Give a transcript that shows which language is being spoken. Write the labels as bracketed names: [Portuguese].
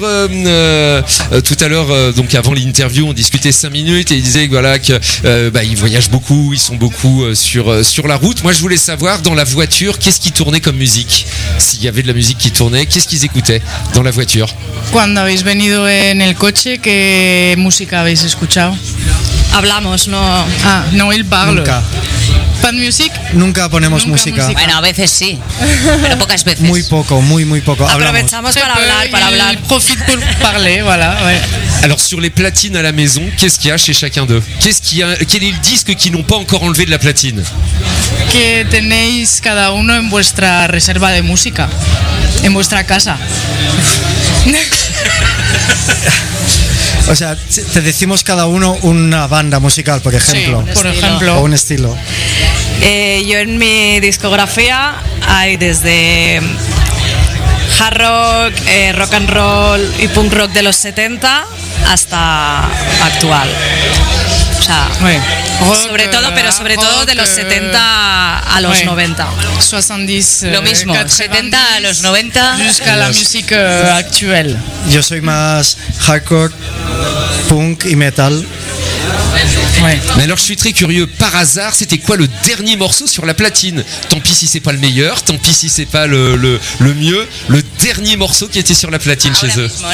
[French] Tout à l'heure, donc avant l'interview, on discutait 5 minutes et il disait voilà, qu'ils voyagent beaucoup, ils sont beaucoup sur la route. Moi, je voulais savoir, dans la voiture, qu'est-ce qui tournait comme musique? S'il y avait de la musique qui tournait, qu'est-ce qu'ils écoutaient dans la voiture? [Spanish] Cuando habéis venido en el coche, ¿qué música habéis escuchado? Hablamos, no... Ah, no, él parlo. Nunca. ¿Pan music? Nunca ponemos música. Bueno, a veces sí, pero pocas veces. Muy poco, muy, muy poco. Aprovechamos para hablar. [French] Profite pour parler, voilà. Alors, sur les platines à la maison, qu'est-ce qu'il y a chez chacun d'eux? Quel est le disque qu'ils n'ont pas encore enlevé de la platine? [Spanish] Que tenéis cada uno en vuestra reserva de música, en vuestra casa. O sea, te decimos cada uno una banda musical, por ejemplo. Sí, por ejemplo. O un estilo. Yo en mi discografía hay desde hard rock, rock and roll y punk rock de los 70, hasta actual. O sea, sobre todo, pero sobre todo de los 70 a los 90. 70, lo mismo, 70 a los 90. Busca la música actual. Yo soy más hardcore, punk y metal. [French] Ouais. Mais alors je suis très curieux, par hasard, c'était quoi le dernier morceau sur la platine? Tant pis si c'est pas le meilleur, tant pis si c'est pas le mieux, le dernier morceau qui était sur la platine chez eux.